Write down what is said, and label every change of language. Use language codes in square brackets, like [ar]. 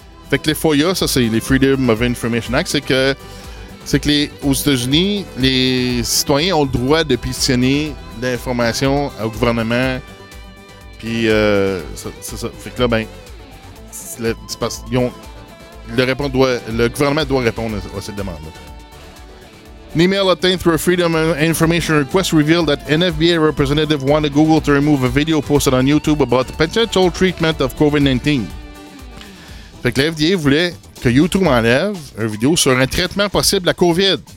[fr] Fait que les FOIA, ça c'est les Freedom of Information Act, c'est que les, aux États-Unis, les citoyens ont le droit de pétitionner l'information au gouvernement. Puis, c'est ça. Fait que là, ben, c'est parce qu'ils ont, le gouvernement doit répondre à cette demande-là. [en] An email obtained through a Freedom of Information request revealed that an FBI representative wanted Google to remove a video posted on YouTube about the potential treatment of COVID-19. [fr] Fait que l'FDA voulait que YouTube enlève une vidéo sur un traitement possible à COVID.